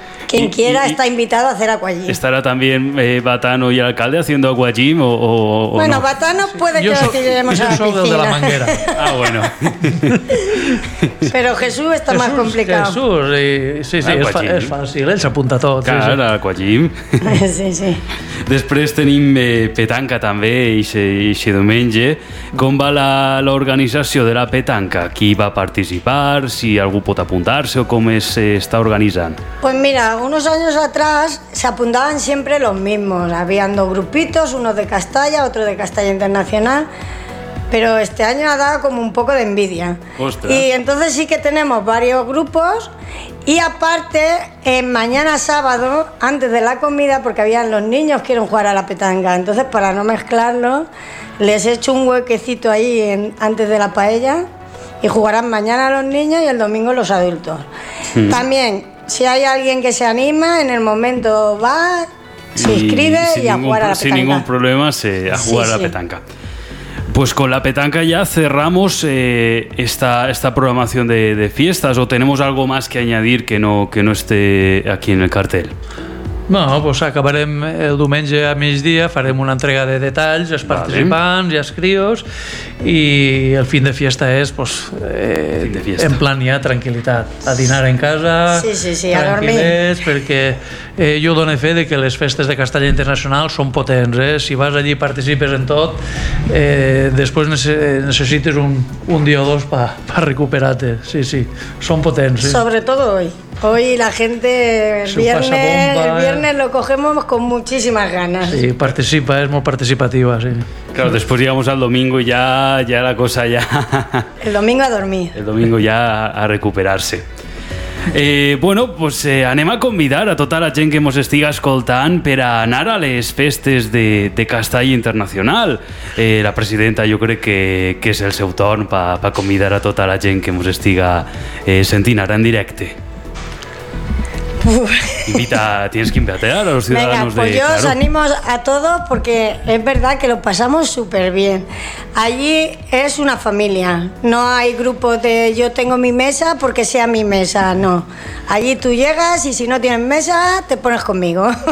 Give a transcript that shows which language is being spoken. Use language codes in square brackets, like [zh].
[es] Quien quiera está invitado a hacer aquagym. ¿Estará también Batano y el alcalde haciendo aquagym o bueno, no? Batano puede que lo lleguemos a la piscina. Yo soy del de la manguera. Ah, bueno. Pero Jesús está más complicado. Jesús, sí, es fácil, él [ca] s'apunta tot. Clar, aquagym. Sí. Després tenim petanca també, ixe diumenge. Com va l'organització de la petanca? Qui va participar? Si algú pot apuntar-se o com s'està organitzant? [es] Pues mira, unos años atrás se apuntaban siempre los mismos. Habían dos grupitos, uno de Castalla, otro de Castalla Internacional. Pero este año ha dado como un poco de envidia. Ostras. Y entonces sí que tenemos varios grupos. Y aparte, mañana sábado, antes de la comida, porque habían los niños quieren jugar a la petanca. Entonces, para no mezclarlo, les he hecho un huequecito ahí antes de la paella. Y jugarán mañana los niños y el domingo los adultos. También, si hay alguien que se anima, en el momento va, se inscribe y a jugar a la petanca. Sin ningún problema, a jugar a la petanca. Pues con la petanca ya cerramos esta programación de fiestas. ¿O tenemos algo más que añadir que no esté aquí en el cartel? [ca] No, pues acabarem el diumenge a migdia, farem una entrega de detalls als participants i als crios, i [es] el fin de fiesta [ca] és pues, en plan ja tranquil·litat, a dinar en casa, sí, a dormir, perquè jo dono fe de que les festes de Castella Internacional són potents, eh? Si vas allí i participes en tot, després necessites un dia o dos pa recuperar-te, sí, són potents. Eh? Sobretot avui. [es] Hoy la gente, el viernes lo cogemos con muchísimas ganas. Sí, participa, es muy participativa, sí. Claro, después llegamos al domingo y ya la cosa ya... El domingo a dormir. El domingo ya a recuperarse. [ca] Bueno, pues anem a convidar a tota la gent que ens estiga escoltant per a anar a les festes de Castell Internacional. La presidenta, jo crec que és el seu torn pa convidar a tota la gent que ens estiga sentint ara en directe. [es] Tienes que invitar a los ciudadanos. Venga, pues yo os animo a todos, porque es verdad que lo pasamos súper bien. Allí es una familia. No hay grupo de yo tengo mi mesa porque sea mi mesa, no. Allí tú llegas y si no tienes mesa te pones conmigo.